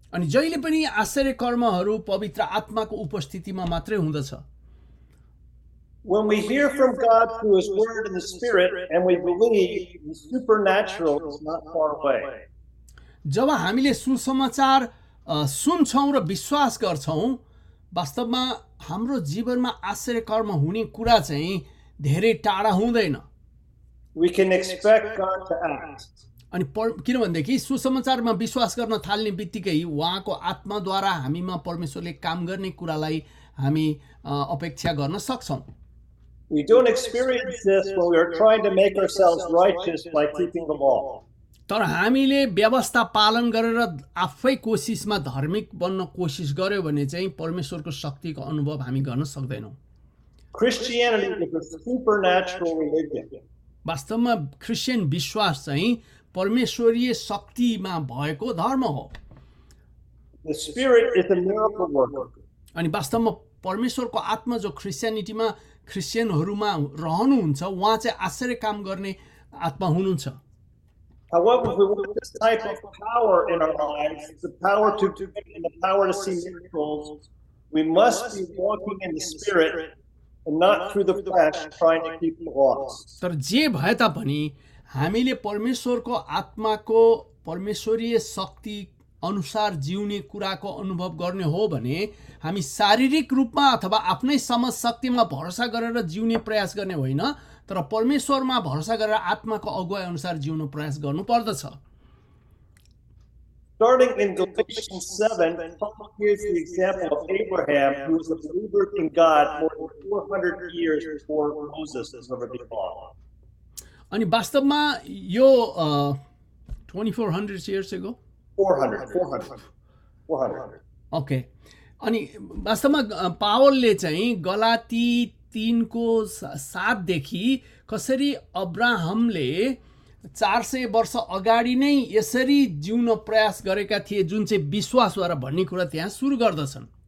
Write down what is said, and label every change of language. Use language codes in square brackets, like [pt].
[ne] अनि जहिले पनि आश्चर्य कर्महरू पवित्र आत्माको उपस्थितिमा मात्रै हुँदछ। [en] When we hear from God through his word and the spirit and we believe, the supernatural is not far away. [ne] जब हामीले सुसमाचार सुन्छौँ र विश्वास गर्छौँ, वास्तवमा हाम्रो जीवनमा आश्चर्य कर्म हुने कुरा चाहिँ धेरै टाढा हुँदैन। [en] We can expect God to act. [ne] अनि किनभनेदेखि सुसमाचारमा विश्वास गर्न थाल्ने बित्तिकै उहाँको आत्माद्वारा हामीमा परमेश्वरले काम गर्ने कुरालाई हामी अपेक्षा गर्न सक्छौँ। [en] We don't experience this when we are trying to make ourselves righteous by keeping the law. [ne] तर हामीले व्यवस्था पालन गरेर आफै कोसिसमा धार्मिक बन्न कोसिस गर्यो भने चाहिँ परमेश्वरको शक्तिको अनुभव हामी गर्न सक्दैनौँ। [en] Christianity is a supernatural religion. [ne] वास्तवमा क्रिश्चियन विश्वास चाहिँ परमेश्वरीय शक्तिमा भएको धर्म हो। [en] The spirit is a miracle worker. [ne] अनि वास्तवमा परमेश्वरको आत्मा जो क्रिस्चियनिटीमा क्रिश्चियनहरूमा रहनुहुन्छ, उहाँ चाहिँ आश्चर्य काम गर्ने आत्मा हुनुहुन्छ। [en] However, we want this type of power in our lives, the power to do and the power to see miracles. We must be walking in the spirit and not through the flesh trying to keep the law. [ne] तर जे भए तापनि हामीले परमेश्वरको आत्माको परमेश्वरीय शक्ति अनुसार जिउने कुराको अनुभव गर्ने हो भने हामी शारीरिक रूपमा अथवा आफ्नै समझ शक्तिमा भरोसा गरेर जिउने प्रयास गर्ने होइन, तर परमेश्वरमा भरोसा गरेर आत्माको अगुवाई अनुसार जिउने प्रयास गर्नुपर्दछ। [en] Starting in Galatians 7, Paul gives the example of Abraham, who was a believer in God more than 400 years before Moses is over the law. [ne] अनि वास्तवमा यो 2400 [en] years ago 400 okay. [ne] अनि वास्तवमा पावलले चाहिँ गलाती तिनको सातदेखि कसरी अब्राहमले 400 वर्ष अगाडि नै यसरी जिउन प्रयास गरेका थिए जुन चाहिँ विश्वासद्वारा भन्ने कुरा त्यहाँ सुरु गर्दछन्।